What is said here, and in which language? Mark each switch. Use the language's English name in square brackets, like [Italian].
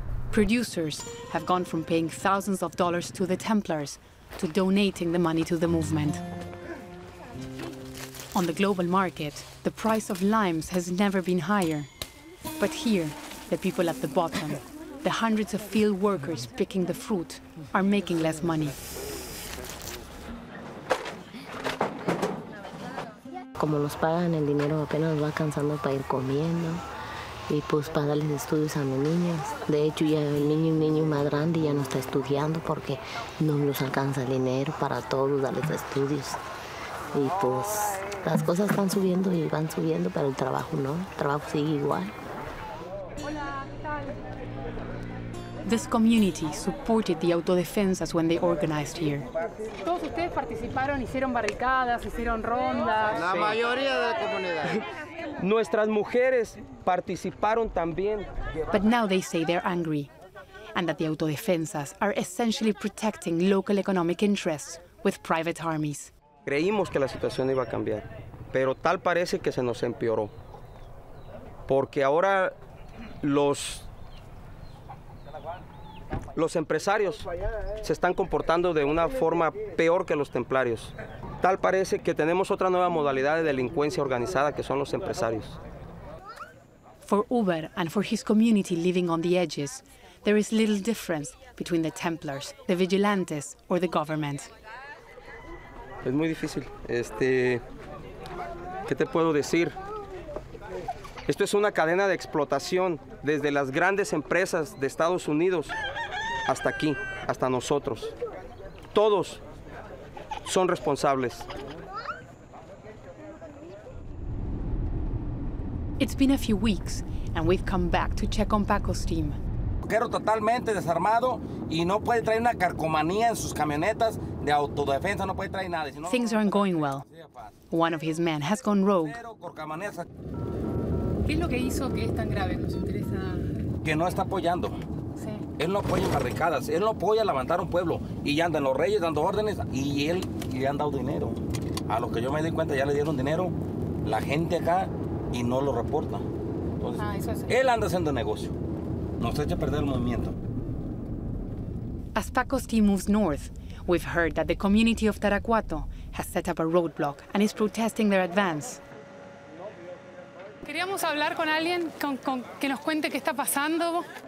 [English] Producers have gone from paying thousands of dollars to the Templars to donating the money to the movement. On the global market, the price of limes has never been higher. But here, the people at the bottom, the hundreds of field workers picking the fruit, are making less money. [Spanish] Como nos pagan el dinero, apenas va alcanzando para ir comiendo y pues para darles estudios a mis niños. De hecho, ya el niño más grande ya no está estudiando porque no nos alcanza el dinero para todos darles estudios. Y pues las cosas están subiendo y van subiendo, pero el trabajo no. El trabajo sigue igual. Hola, ¿qué tal? [English] This community supported the autodefensas when they organized here. [Spanish] Todos ustedes participaron, hicieron barricadas, hicieron rondas. La mayoría de la comunidad. Nuestras mujeres participaron también. [English] But now they say they're angry, and that the autodefensas are essentially protecting local economic interests with private armies. [Spanish] Creímos que la situación iba a cambiar, pero tal parece que se nos empeoró. Porque ahora los empresarios se están comportando de una forma peor que los templarios. Tal parece que tenemos otra nueva modalidad de delincuencia organizada que son los empresarios. [English] For Uber and for his community living on the edges, there is little difference between the Templars, the vigilantes, or the government. [Spanish] Es muy difícil. ¿Qué te puedo decir? Esto es una cadena de explotación desde las grandes empresas de Estados Unidos hasta aquí, hasta nosotros. Todos son responsables. [English] It's been a few weeks and we've come back to check on Paco's team. [Spanish] Quiero totalmente desarmado y no puede traer una carcomanía en sus camionetas de autodefensa, no puede traer nada. [English] Things aren't going well. One of his men has gone rogue. [Spanish] ¿Qué es lo que hizo que es tan grave? Nos interesa. que no está apoyando. Sí. Él no apoya barricadas, él no apoya levantar un pueblo. Y ya andan los reyes dando órdenes y él le han dado dinero. A lo que yo me di cuenta, ya le dieron dinero la gente acá y no lo reporta. Entonces, él anda haciendo negocio. Nos echa a perder el movimiento. [English] As Paco's team moves north, we've heard that the community of Tarahuato has set up a roadblock and is protesting their advance. [Spanish] Queríamos hablar con alguien con que nos cuente qué está pasando.